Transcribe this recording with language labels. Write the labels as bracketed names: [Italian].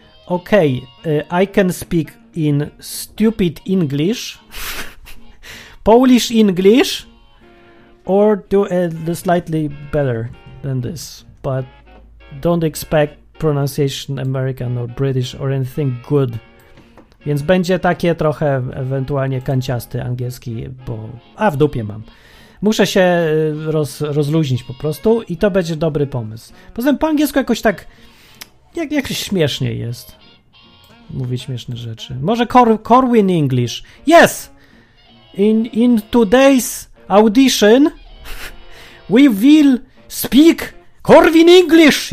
[English] Okay, I can speak in stupid English. Polish English. Or do it slightly better than this. But don't expect pronunciation American or British or anything good. [Polish] Więc będzie takie trochę ewentualnie kanciasty angielski, bo... A, w dupie mam. Muszę się rozluźnić po prostu i to będzie dobry pomysł. Poza tym po angielsku jakoś tak... Jakoś śmiesznie jest mówić śmieszne rzeczy. Może Corwin English. Yes! [English] In today's audition we will speak Corwin English!